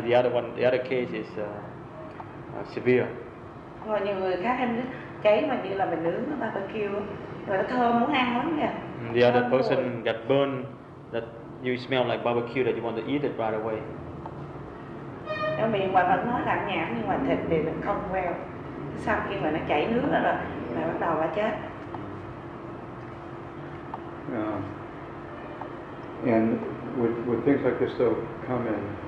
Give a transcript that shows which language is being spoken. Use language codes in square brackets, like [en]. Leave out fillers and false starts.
[en] The other one, the other case is severe. [vi] Rồi nhiều người khác em cháy mà như là mình nướng nó barbecue, rồi nó thơm muốn ăn lắm kìa. [en] The other person got burned that you smell like barbecue that you want to eat it right away. [vi] Nó miệng mà vẫn nói lặng nhảm nhưng mà thịt thì mình không well. Sau khi mà nó chảy nước đó rồi là bắt đầu là chết. [en] And would things like this though come in?